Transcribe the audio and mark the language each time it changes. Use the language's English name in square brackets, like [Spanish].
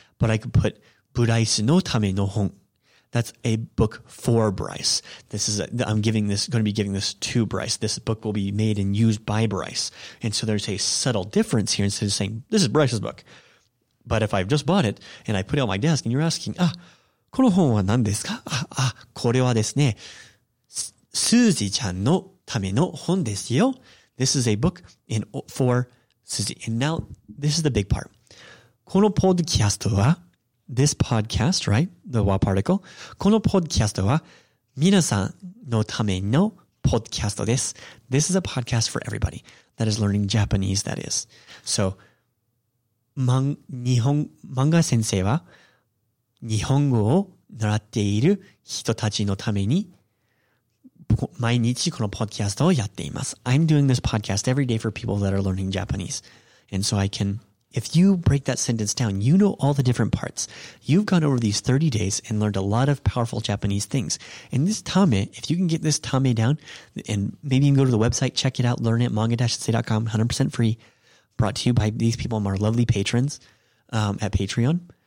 [English] But I could put [Japanese] Buraisu no tame no hon. [English] That's a book for Bryce. I'm going to be giving this to Bryce. This book will be made and used by Bryce. And so there's a subtle difference here instead of saying, this is Bryce's book. But if I've just bought it and I put it on my desk and you're asking, [Japanese] この本は何ですか? これはですね、スージーちゃんのための本ですよ。 [English] This is a book for Susie. And now this is the big part. [Japanese] このポッドキャストは [English] This podcast, right? The wa particle. [Japanese] このポッドキャストは皆さんのためのポッドキャストです。 [English] This is a podcast for everybody that is learning Japanese, that is. [Japanese] So, 漫画先生は日本語を習っている人たちのために毎日このポッドキャストをやっています。 [English] I'm doing this podcast every day for people that are learning Japanese. And so I can, if you break that sentence down, you know all the different parts. You've gone over these 30 days and learned a lot of powerful Japanese things. And this tame, if you can get this tame down, and maybe you can go to the website, check it out, learn it, manga-sensei.com, 100% free, brought to you by these people, our lovely patrons at Patreon.